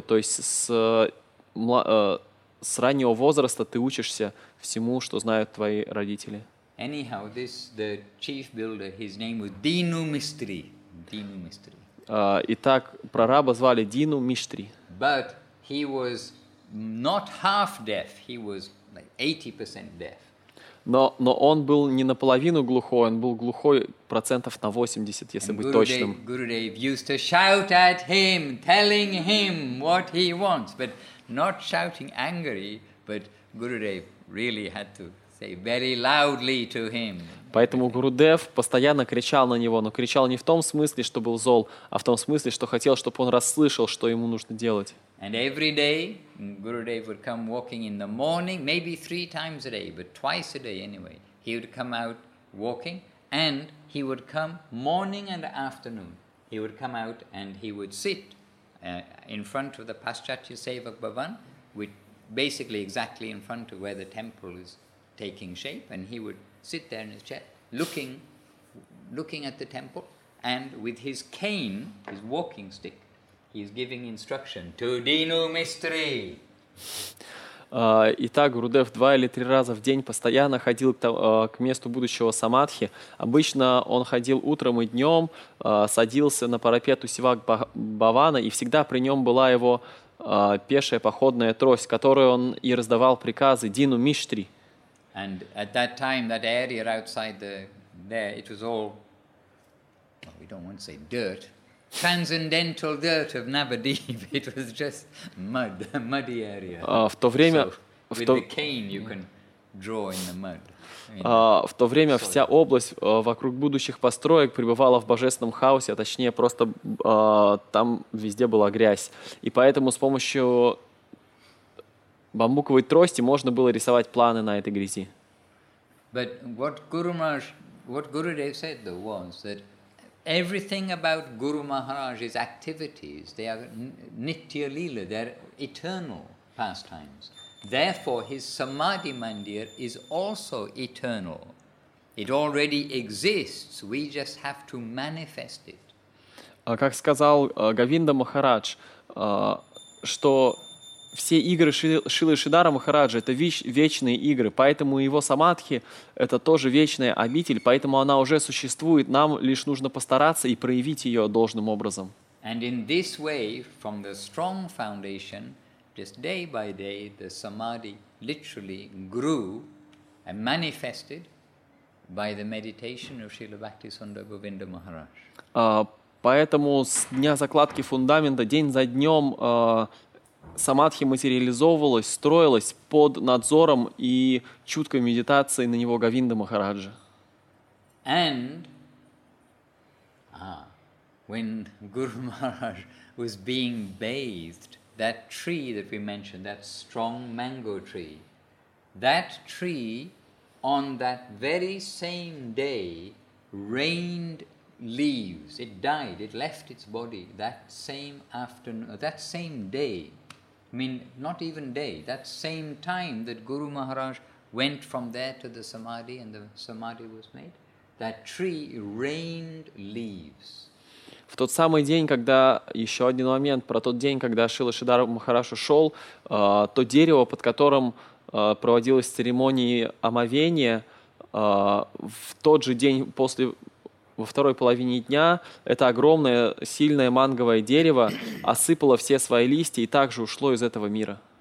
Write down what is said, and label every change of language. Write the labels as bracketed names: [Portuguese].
[Russian] То есть с раннего возраста ты учишься всему, что знают твои родители. [English] Anyhow, this the chief builder, his name was Dinu Mistri. Dinu Mistri. [Russian] Итак, прораба звали Дину Миштри. [English] But he was not half deaf, he was like 80% deaf. [Russian] Но он был не наполовину глухой, он был глухой процентов на 80, если [English] And [Russian] быть точным. [English] Gurudev used to shout at him, telling him what he wants, but not shouting angry, but Gurudev really had to say very loudly to him. [Russian] Поэтому Гурудев постоянно кричал на него, но кричал не в том смысле, что был зол, а в том смысле, что хотел, чтобы он расслышал, что ему нужно делать. [English] And every day, Gurudev would come walking in the morning, maybe three times a day, but twice a day anyway. He would come out walking, and he would come morning and afternoon. He would come out and he would sit in front of the Paschacha Sevak Bhavan, which basically exactly in front of where the temple is taking shape, and he would sit there in his chair, looking at the temple, and with his cane, his walking stick, he's giving instruction to Dinu Mistri. [Russian] Итак, Гурудев два или три раза в день постоянно ходил к месту будущего самадхи. Обычно он ходил утром и днем, садился на парапет у Севак Бавана, и всегда при нем была его пешая походная трость, которой он и раздавал приказы Дину Миштри. [English] And at that time, that area outside there, it was all, we don't want to say dirt, transcendental dirt of Navadeep. It was just mud, a muddy area. [Russian] В то время, [English] so, with the cane you can draw in the mud. [Russian] В то время вся область вокруг будущих построек пребывала в божественном хаосе, а точнее просто там везде была грязь. И поэтому с помощью бамбуковой трости можно было рисовать планы на этой грязи. [English] But what Gurudev said though was that Everything about Guru Maharaj's activities, they are nitya lila, they're eternal pastimes. Therefore, his samadhi mandir is also eternal. It already exists, we just have to manifest it. [Russian] Как сказал Говинда Махарадж, что все игры Шилы Шридхара Махараджа — это вечные игры, поэтому его самадхи — это тоже вечная обитель, поэтому она уже существует, нам лишь нужно постараться и проявить ее должным образом. [English] And in this way, from the strong foundation, just day by day, the samadhi literally grew and manifested by the meditation of Srila Bhaktisundara Govinda Maharaj. [Russian] Поэтому с дня закладки фундамента, день за днем, самадхи материализовывалась, строилась под надзором и чуткой медитацией на него Говинды Махараджа. [English] And when Guru Maharaj was being bathed, that tree that we mentioned, that strong mango tree, that tree on that very same day rained leaves. It died. It left its body that same afternoon, that same day. I mean, not even day, that same time that Guru Maharaj went from there to the samadhi and the samadhi was made, that tree rained leaves. [Russian] В тот самый день, когда, еще один момент, про тот день, когда Шрила Шридхара Махарадж ушел, то дерево, под которым проводилась церемония омовения, в тот же день, после, во второй половине дня, это огромное, сильное манговое дерево осыпало все свои листья и также ушло из этого мира.